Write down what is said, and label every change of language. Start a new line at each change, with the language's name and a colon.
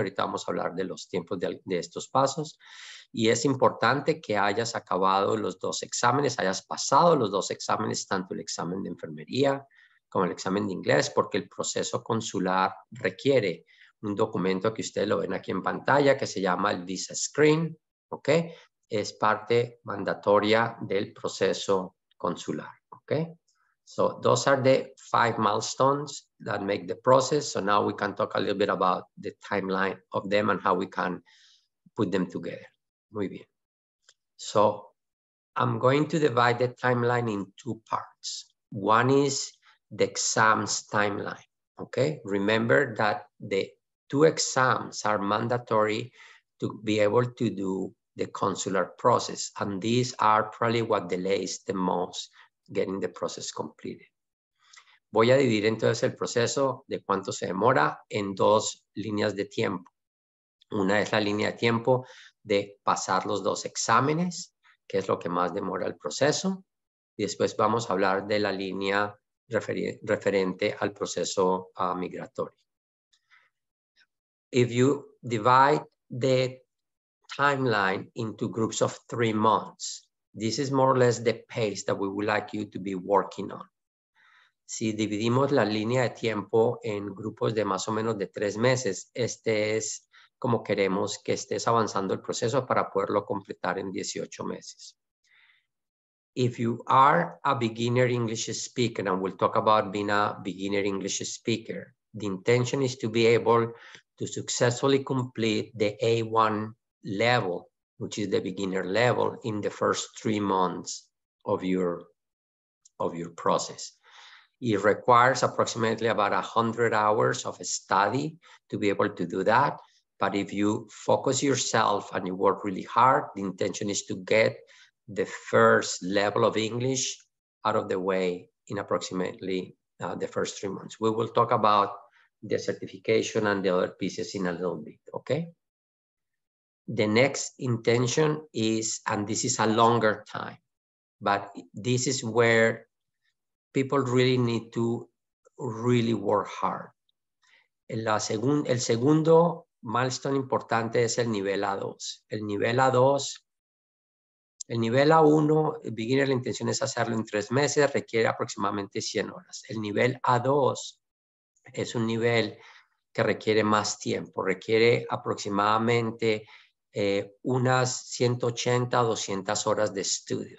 Spanish: Ahorita vamos a hablar de los tiempos de estos pasos. Y es importante que hayas acabado los dos exámenes, hayas pasado los dos exámenes, tanto el examen de enfermería como el examen de inglés, porque el proceso consular requiere un documento que ustedes lo ven aquí en pantalla, que se llama el visa screen, ¿ok? Es parte mandatoria del proceso consular, ¿ok?
English: So those are the five milestones that make the process. So now we can talk a little bit about the timeline of them and how we can put them together.
Spanish: Muy bien.
English: So I'm going to divide the timeline in two parts. One is the exams timeline. Okay. Remember that the two exams are mandatory to be able to do the consular process. And these are probably what delays the most getting the process completed.
Spanish: Voy a dividir entonces el proceso de cuánto se demora en dos líneas de tiempo. Una es la línea de tiempo de pasar los dos exámenes, que es lo que más demora el proceso. Y después vamos a hablar de la línea referente al proceso migratorio.
English: If you divide the timeline into groups of 3 months, this is more or less the pace that we would like you to be working on.
Spanish: Si dividimos la línea de tiempo en grupos de más o menos de 3 meses, este es como queremos que estés avanzando el proceso para poderlo completar en 18 meses.
English: If you are a beginner English speaker, and we'll talk about being a beginner English speaker, the intention is to be able to successfully complete the A1 level, which is the beginner level, in the first 3 months of your process. It requires approximately about 100 hours of study to be able to do that. But if you focus yourself and you work really hard, the intention is to get the first level of English out of the way in approximately the first 3 months. We will talk about the certification and the other pieces in a little bit, okay? The next intention is, and this is a longer time, but this is where people really need to really work hard.
Spanish: El segundo milestone importante es el nivel A2. El nivel A2 El nivel A1, beginner, la intención es hacerlo en 3 meses, requiere aproximadamente 100 horas. El nivel A2 es un nivel que requiere más tiempo, requiere aproximadamente unas 180 a 200 horas de estudio.